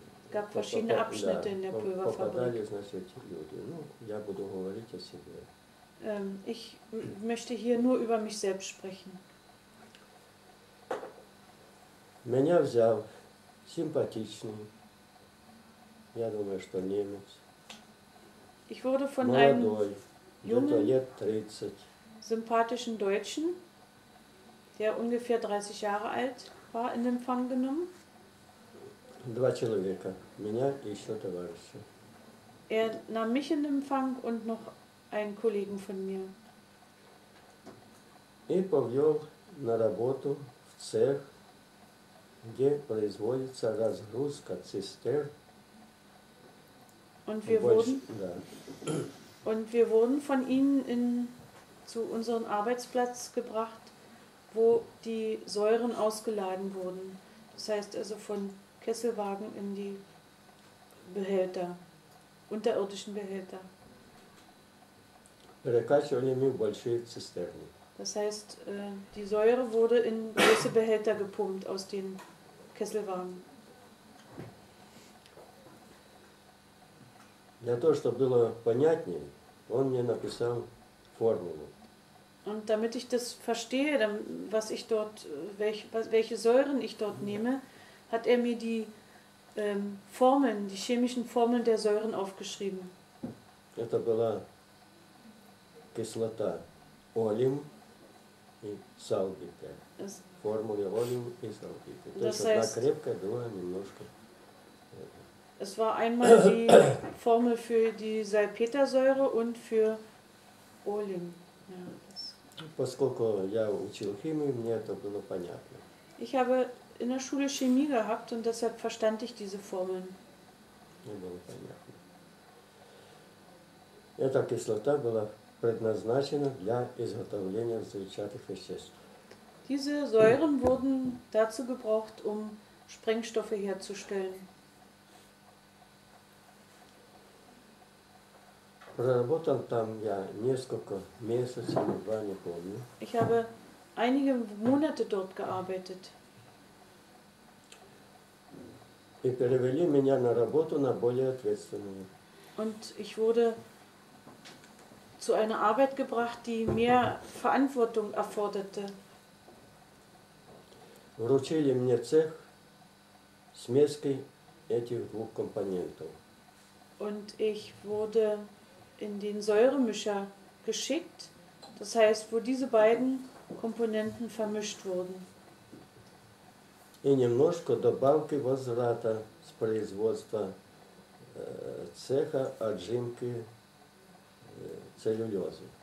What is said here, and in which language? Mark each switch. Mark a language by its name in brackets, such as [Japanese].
[German] Gab verschiedene Abschnitte in der Pulverfabrik. [Russian] Попадали, значит, люди. Ну, я буду говорить о себе. [German] Ich möchte hier nur über mich selbst sprechen. [Russian] Меня взял симпатичный, я думаю, что немец. [German] Ich wurde von [Russian] молодой, [German] einem [Russian] лет 30. [German] Sympathischen Deutschen, der ungefähr 30 Jahre alt war, in Empfang genommen. [Russian] Два человека, меня и еще товарища. [German] Er nahm mich in Empfang und noch einen Kollegen von mir. [Russian] И повел на работу в цех, где производится разгрузка цистерн. [German] Und wir wurden von ihnen in zu unserem Arbeitsplatz gebracht, wo die Säuren ausgeladen wurden. Das heißt also von Kesselwagen in die Behälter, unterirdischen Behälter. Das heißt, die Säure wurde in große Behälter gepumpt aus den Kesselwagen. [Russian] Для того, чтобы было понятнее, он мне написал [German] vornehmen. Und damit ich das verstehe, was ich dort, welche Säuren ich dort nehme, hat er mir die Formeln, die chemischen Formeln der Säuren aufgeschrieben. [Russian] Это была кислота олим и салбита. Формула олим и салбита. То есть одна крепкая, другая немножко. [German] Es war einmal die Formel für die Salpetersäure und für Olim. [Russian] Поскольку я учил химию, мне это было понятно. [German] Ich habe in der Schule Chemie gehabt und deshalb verstand ich diese Formeln. [Russian] Мне было понятно. Эта кислота была предназначена для изготовления взрывчатых веществ. [German] Diese Säuren wurden dazu gebraucht, um Sprengstoffe herzustellen. [Russian] Проработал там я несколько месяцев, два не помню. [German] Ich habe einige Monate dort gearbeitet. [Russian] И перевели меня на работу на более ответственную. [German] Und ich wurde zu einer Arbeit gebracht, die mehr Verantwortung erforderte. [Russian] Вручили мне цех смеской этих двух компонентов. [German] Und ich wurde in den Säuremischer geschickt, das heißt, wo diese beiden Komponenten vermischt wurden. [Russian] И немножко добавки возврата с производства цеха отжимки целлюлозы.